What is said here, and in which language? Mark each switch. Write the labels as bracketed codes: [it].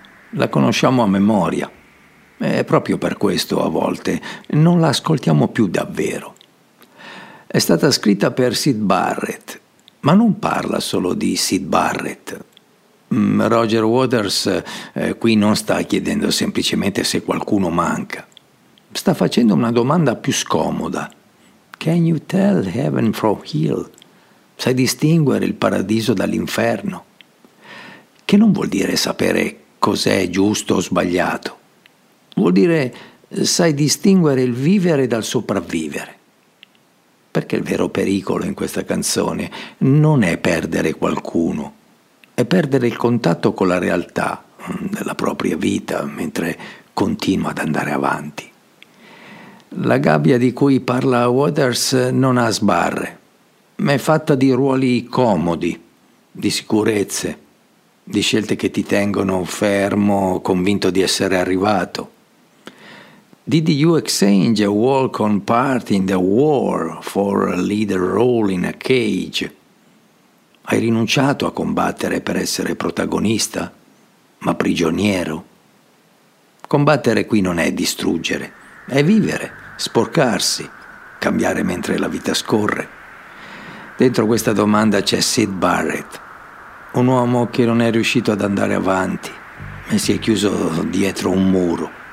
[it] La conosciamo a memoria. E proprio per questo a volte non la ascoltiamo più davvero. È stata scritta per Syd Barrett, ma non parla solo di Syd Barrett. Roger Waters qui non sta chiedendo semplicemente se qualcuno manca. Sta facendo una domanda più scomoda. [en] Can you tell heaven from hell? [it] Sai distinguere il paradiso dall'inferno? Che non vuol dire sapere cos'è giusto o sbagliato. Vuol dire sai distinguere il vivere dal sopravvivere. Perché il vero pericolo in questa canzone non è perdere qualcuno, è perdere il contatto con la realtà della propria vita mentre continua ad andare avanti. La gabbia di cui parla Waters non ha sbarre, ma è fatta di ruoli comodi, di sicurezze, di scelte che ti tengono fermo, convinto di essere arrivato. [en] Did you exchange a walk-on part in the war for a leader role in a cage? [it] Hai rinunciato a combattere per essere protagonista, ma prigioniero? Combattere qui non è distruggere, è vivere. Sporcarsi, cambiare mentre la vita scorre. Dentro questa domanda c'è Syd Barrett, un uomo che non è riuscito ad andare avanti, ma si è chiuso dietro un muro.